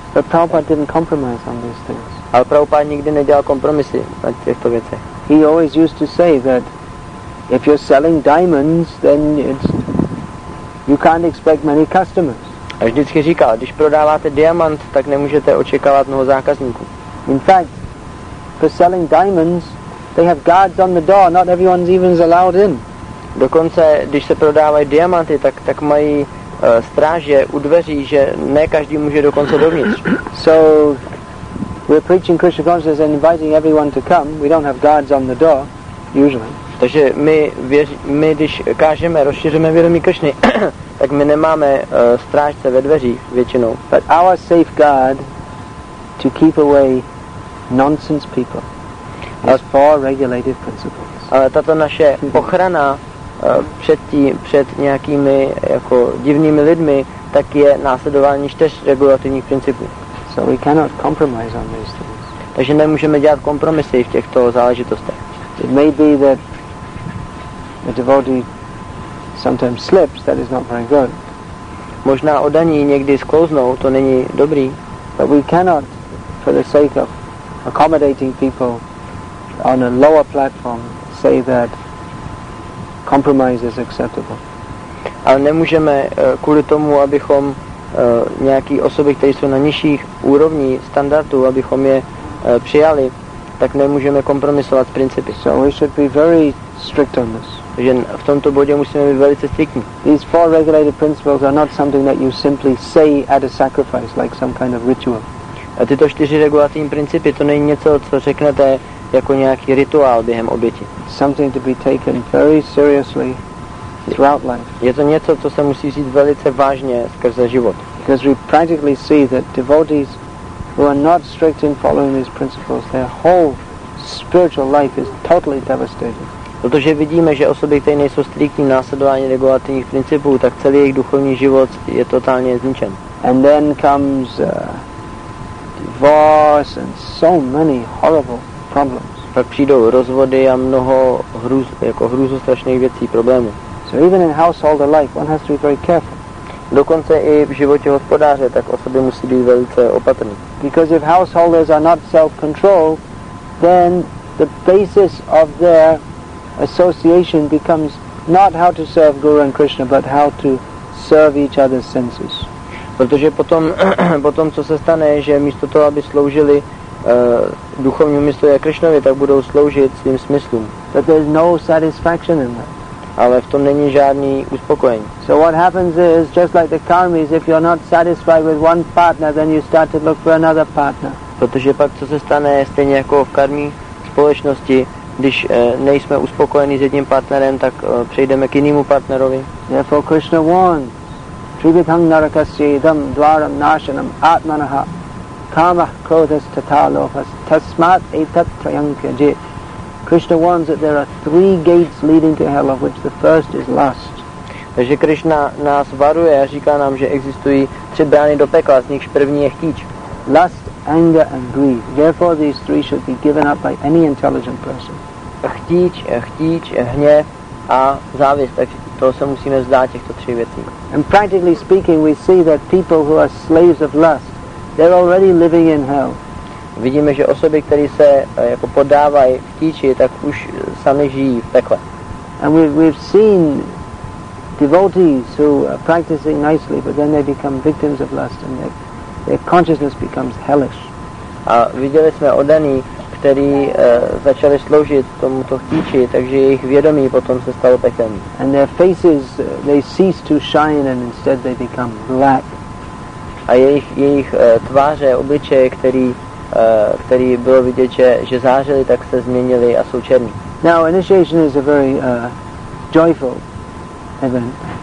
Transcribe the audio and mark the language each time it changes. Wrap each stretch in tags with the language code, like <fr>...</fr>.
<en>But Prabhupada didn't compromise on these things.</en> <cs>Ale Prabhupada nikdy nedělal kompromisy na těchto věcech.</cs> <en>He always used to say that if you're selling diamonds, then you can't expect many customers.</en> <cs>A vždycky říkal, když prodáváte diamant, tak nemůžete očekávat mnoho zákazníků.</cs> <en>In fact, for selling diamonds, they have guards on the door, not everyone's even allowed in.</en> <cs>Dokonce, když se prodávají diamanty, tak mají stráže u dveří, že ne každý může dokonce dovnitř.</cs> <en>So we're preaching Krishna consciousness and inviting everyone to come. We don't have guards on the door, usually.</en> <cs>Takže my když kážeme, rozšíříme vědomí Krišny, tak my nemáme strážce ve dveřích většinou.</cs> <en>But our safeguard to keep away nonsense people is four regulative principles.</en> <cs>Ale tato naše ochrana před nějakými jako divnými lidmi, tak je následování 4 regulativních principů.</cs> <en>So we cannot compromise on these things.</en> <cs>Takže nemůžeme dělat kompromisy v těchto záležitostech.</cs> <en>It may be that a devotee sometimes slips, that is not very good.</en> <cs>Možná oddaní někdy sklouznou, to není dobrý.</cs> <en>But we cannot, for the sake of accommodating people on a lower platform, say that compromise is acceptable.</en> <cs>Ale nemůžeme kvůli tomu, abychom nějaký osoby, které jsou na nižších úrovni standardu, abychom je přijali, tak nemůžeme kompromisovat s principy.</cs> <en>So we should be very strict on this.</en> <cs>Že v tomto bodě musíme být velice striktní.</cs> <en>These four regulated principles are not something that you simply say at a sacrifice, like some kind of ritual.</en> <cs>A tyto 4 regulativní principy, to není něco, co řeknete jako nějaký rituál během oběti.</cs> <en>Something to be taken very seriously throughout life.</en> <cs>Je to něco, co se musí říct velice vážně skrze život.</cs> <en>Because we practically see that devotees who are not strict in following these principles, their whole spiritual life is totally devastated.</en> <cs>Protože vidíme, že osoby, které nejsou striktní následování regulativních principů, tak celý jejich duchovní život je totálně zničen.</cs> <en>And then comes divorce and so many horrible problems.</en> <cs>Pak přijdou rozvody a mnoho hrůzostrašných věcí, problémů.</cs> <en>So even in household life, one has to be very careful.</en> <cs>Dokonce i v životě hospodáře, tak osoby musí být velice opatrné.</cs> <en>Because if householders are not self-controlled, then the basis of their association becomes not how to serve Guru and Krishna, but how to serve each other's senses.</en> <cs>Protože potom, co se stane, že místo toho, aby sloužili duchovnímu mysli a Krishnovi, tak budou sloužit svým smyslům.</cs> <en>But there's no satisfaction in that.</en> <cs>Ale v tom není žádný uspokojení.</cs> <en>So what happens is, just like the karmis, if you're not satisfied with one partner, then you start to look for another partner.</en> <cs>Protože pak, co se stane, stejně jako v karmí společnosti, když nejsme uspokojeni s jedním partnerem, tak přejdeme k jinému partnerovi.</cs> <en>Therefore Krishna warns,</en> <sa>Tribhutam narakasya idam dvaram nashanam atmanaha kamah krodhas tathalohas tasmat etat trayankajit.</sa> <en>Krishna warns that there are 3 gates leading to hell, of which the first is lust.</en> <cs>Takže Krishna nás varuje a říká nám, že existují 3 brány do pekla, z nichž první je chtíč.</cs> <en>Lust, anger and greed. Therefore these 3 should be given up by any intelligent person.</en> <cs>Chtíč, hněv a závist, tak to se musíme vzdát těchto 3 věcí.</cs> <en>And practically speaking, we see that people who are slaves of lust, they're already living in hell.</en> <cs>Vidíme, že osoby, které se jako podávají chtíči, tak už sami žijí v pekle.</cs> <en>And we've seen devotees who are practicing nicely, but then they become victims of lust and their consciousness becomes hellish.</en> <cs>A viděli jsme oddaní, kteří začali sloužit tomuto chtíči, takže jejich vědomí potom se stalo pekelní.</cs> <en>And their faces, they cease to shine and instead they become black.</en> <cs>A jejich tváře, obličeje, který bylo vidět, že zářili, tak se změnili a jsou černí.</cs> <en>Now initiation is a very joyful event.</en>